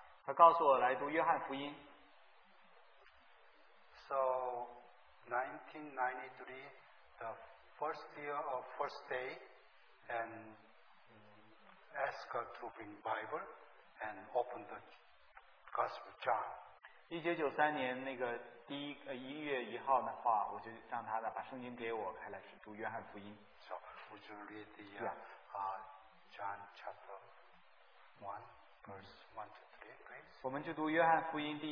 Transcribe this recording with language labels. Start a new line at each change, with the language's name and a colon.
Chinese: 他告诉我来读约翰福音。
English: So, 1993, the first year of first day, and ask her to bring Bible and open the Gospel John.
Chinese: 1993年那个1月1号的话，我就让他把圣经给我，开来读约翰福音。
English: So, would you read the John chapter 1, verse 1 to 3, please?